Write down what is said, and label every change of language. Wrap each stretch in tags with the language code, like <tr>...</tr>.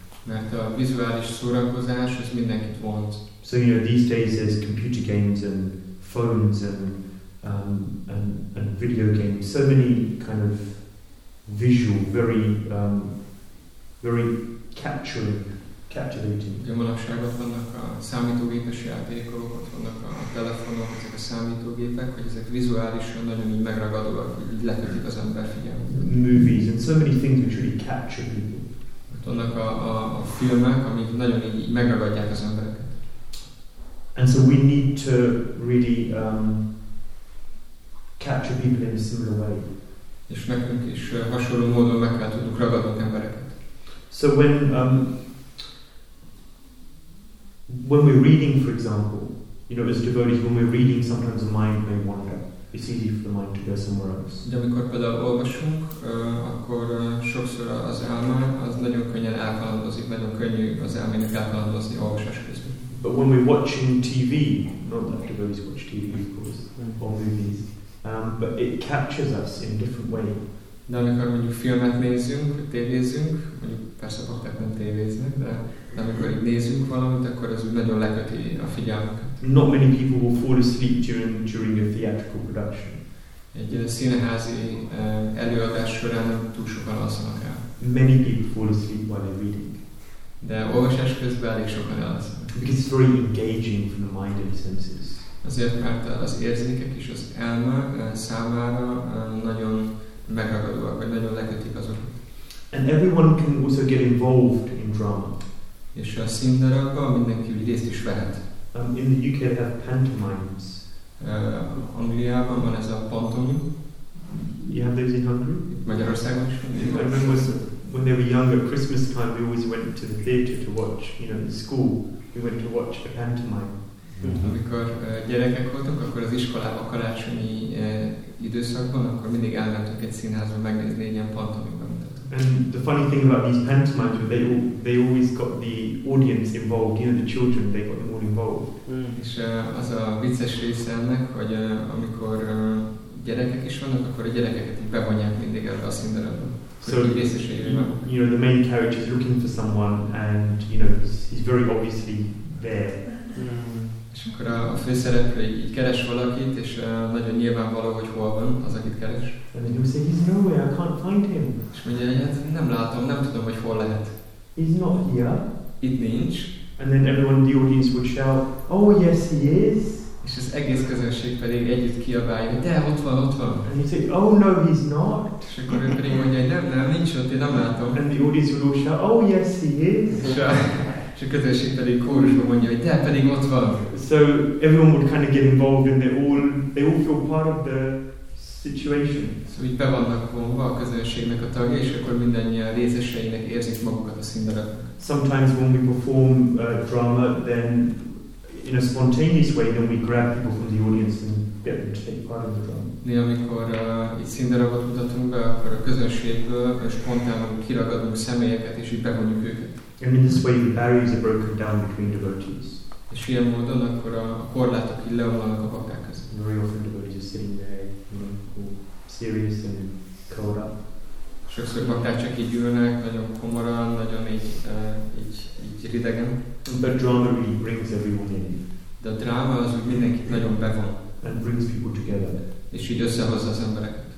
<hu>Mert a vizuális szórakozás, az mindenkit vont.</hu> <en>So, you know, these days there's computer games and phones and video games. So many kind of visual, very captivating.</en> <hu>Ugye manapság ott vannak a számítógépes játékok, ott vannak a telefonok, ezek a számítógépek, hogy ezek vizuálisan nagyon így megragadóak, így lekötik az ember figyelmét.</hu> <en>Movies and so many things which really capture people.</en> <hu>Ott vannak a filmek, amik nagyon így megragadják az embereket.</hu> <en>And so we need to really capture people in a similar way.</en> <hu>És nekünk is hasonló módon meg kell tudnunk ragadni embereket.</hu> <en>So when we're reading, for example, you know, as devotees, when we're reading, sometimes the mind may wander. it's easy for the mind to go somewhere else.</en> <hu>De amikor például olvasunk, akkor sokszor az elme, az nagyon könnyen elkalandozik, nagyon könnyű az elmének elkalandozni olvasás közben.</hu> <en>But when we're watching TV, not that devotees watch TV, of course, or movies, but it captures us in different way.</en> <hu>De amikor mondjuk filmet nézünk, tévézünk, mondjuk persze akár nem tévéznek, de amikor nézünk valamit, akkor ez nagyon leköti a figyelmeket.</hu> <en>Not many people will fall asleep during a theatrical production.</en> <hu>Egy színházi előadás során nem túl sokan alszanak el.</hu> <en>Many people fall asleep while they're reading.</en> <hu>De olvasás közben elég sokan alszanak.</hu> <en>Because it's very engaging from the mind and senses.</en> <hu>Azért, mert az érzékek és az elme számára nagyon megragadóak, vagy nagyon lekötik azokat.</hu> <en>And everyone can also get involved in drama.</en> <hu>És a színdarabban mindenki részt is vehet.</hu> <en>In the UK they have pantomimes.</en> <hu>Angliában van ez a pantomim.</hu> <en>You have those in Hungary?</en> <hu>Magyarországon is van.</hu> <en>I remember when they were younger, Christmas time, we always went to the theatre to watch, you know, in school, we went to watch a pantomime.</en> <hu>Amikor gyerekek voltunk, akkor az iskolában karácsonyi időszakban, akkor mindig elmentünk egy színházba megnézni egy ilyen pantomimet.</hu> <en>And the funny thing about these pantomimes, they always got the audience involved, you know, the children, they got them all involved.</en> <hu>És az a vicces része ennek, hogy amikor gyerekek is vannak, akkor a gyerekeket bevonják mindig ebbe a színdarabba.</hu> <en>So, you know, the main character is looking for someone and, you know, he's very obviously there.</en> <hu>És akkor a főszereplő így keres valakit, és nagyon nyilvánvaló, hogy hol van az, akit keres.</hu> <en>And then he would say, he's nowhere, I can't find him.</en> <hu>És mondja, hát nem látom, nem tudom, hogy hol lehet.</hu> <en>He's not here.</en> <hu>Itt nincs.</hu> <en>And then everyone in the audience would shout, oh yes he is.</en> <hu>És az egész közönség pedig együtt kiabálja, de ott van, ott van.</hu> <en>And he said, oh no, he's not.</en> <hu>És akkor ő pedig mondja, nem, nincs ott, én nem látom.</hu> <en>And the audience would all shout, oh yes he is.</en> <hu>És a közönség pedig kórusban mondja, hogy de pedig ott van.</hu> <en>So everyone would kind of get involved and they all feel part of the situation.</en> <hu>So így be vannak vonva a közönségnek a tagja, és akkor mindannyian részeseinek érzik magukat a színdarabnak.</hu> <en>Sometimes when we perform drama, then in a spontaneous way, then we grab people from the audience and get them to take part in the drama.</en> <hu>Néha, amikor így színdarabot mutatunk be, akkor a közönségből spontánul kiragadunk személyeket, és így bevonjuk őket.</hu> <en>And in this way, the barriers are broken down between devotees.</en> <hu>És ilyen módon akkor a korlátok így leomlanak a bakák között.</hu> <en>Very often devotees are sitting there, you know, serious and curled up.</en> <hu>Sokszor bakák csak így ülnek, nagyon komoran, nagyon így ridegen.</hu> <en>But drama really brings everyone in.</en> <hu>De a dráma az úgy mindenkit nagyon bevon.</hu> <en>And brings people together.</en> <hu>És így összehozza az embereket.</hu>